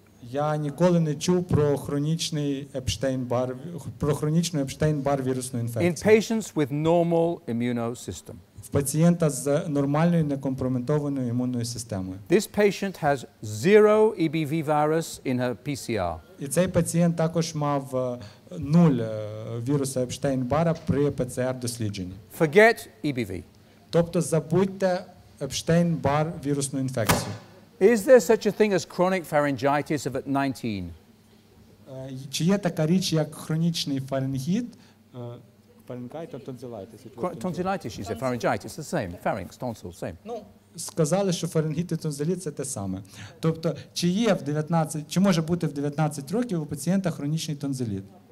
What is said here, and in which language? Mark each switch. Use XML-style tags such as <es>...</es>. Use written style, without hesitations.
<uk>Я ніколи не чув про хронічний Епштейн-Бар, про хронічну Епштейн-Бар вірусну інфекцію.</uk> <en>In patients with normal immunosystem.</en> <uk>В пацієнта з нормальною некомпрометованою імунною системою.</uk> <en>This patient has zero EBV virus in her PCR.</en> <uk>І цей пацієнт також мав нуль вірусу Епштейн-Бара при ПЦР-дослідженні.</uk> <en>Forget EBV.</en> <uk>Тобто забудьте Епштейн-Бар вірусну інфекцію.</uk> <en>Is there such a thing as chronic pharyngitis of at 19?</en> <uk>Чи є така річ як хронічний фарингіт?</uk> <en>Тонзилайтис, she said pharyngitis, the same. Pharynx, tonsil, same.</en> <uk>Ну, сказали, що фарингіт і тонзиліт це те саме. Тобто, чи є в 19, чи може бути в 19 років у пацієнта хронічний тонзиліт?</uk>